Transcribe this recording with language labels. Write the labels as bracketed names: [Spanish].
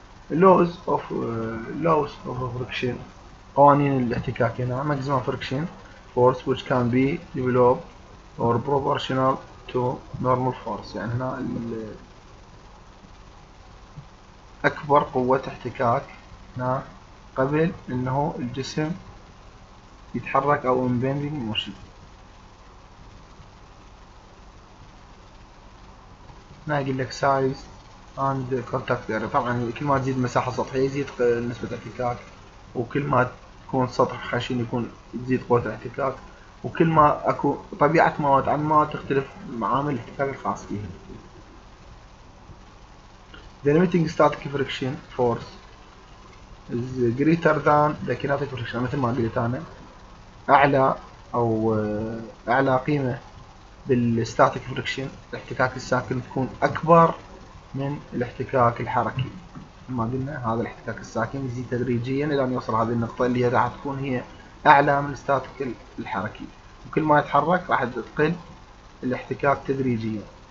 [English] laws of laws of friction, [Arabic] قوانين الاحتكاك هنا [English] maximum friction force which can be developed or proportional to normal force. [Arabic] يعني هنا أكبر قوة احتكاك هنا قبل إنه الجسم يتحرك أو [English] impending motion. [Arabic] هنا يقول لك [English] size and contact area. [Arabic] طبعا كل ما تزيد مساحة سطحية يزيد نسبة احتكاك، وكل ما يكون سطح خشن يكون يزيد قوة الاحتكاك، وكل ما اكو طبيعة مواد عن مواد تختلف معامل الاحتكاك الخاص فيها. [English] The limiting static friction force is greater than the kinetic friction. [Arabic] مثل ما قلت انا اعلى او اعلى قيمة بالستاتيك فريكشن الاحتكاك الساكن تكون اكبر من الاحتكاك الحركي. ما قلنا هذا الاحتكاك الساكن يزيد تدريجيا الى ان يوصل هذه النقطه اللي هي راح تكون هي اعلى من الستاتيك الحركي، وكل ما يتحرك راح تقل الاحتكاك تدريجيا.